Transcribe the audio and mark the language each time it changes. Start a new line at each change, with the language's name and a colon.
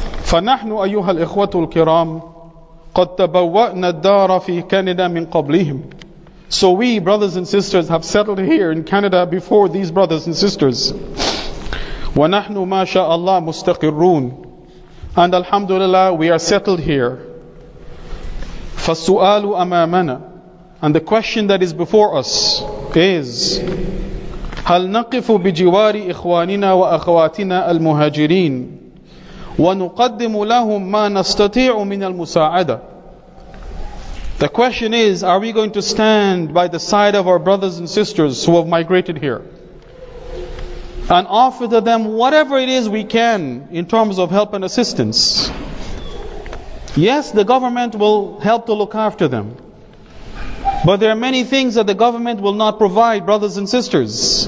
Arabic: فَنَحْنُ أَيُّهَا الْإِخْوَةُ الْكِرَامُ قَدْ تَبَوَّأْنَا الدَّارَ فِي كَنِدَا مِنْ قَبْلِهِمْ.
English: So we, brothers and sisters, have settled here in Canada before these brothers and sisters.
Arabic: وَنَحْنُ مَا شَاءَ اللَّهُ مُسْتَقِرُّونَ.
English: And alhamdulillah, we are settled here.
Arabic: فَالسُّؤَالُ أَمَامَنَا.
English: And the question that is before us is,
Arabic: هَلْ نَقِفُ بِجِوَارِ إِخْوَانِنَا وَأَخْوَاتِنَا الْمُهَاجِرِينَ وَنُقَدِّمُ لَهُمْ مَا نَسْتَطِيعُ مِنَ الْمُسَاعَدَةِ.
English: The question is, are we going to stand by the side of our brothers and sisters who have migrated here and offer to them whatever it is we can in terms of help and assistance? Yes, the government will help to look after them, but there are many things that the government will not provide, brothers and sisters.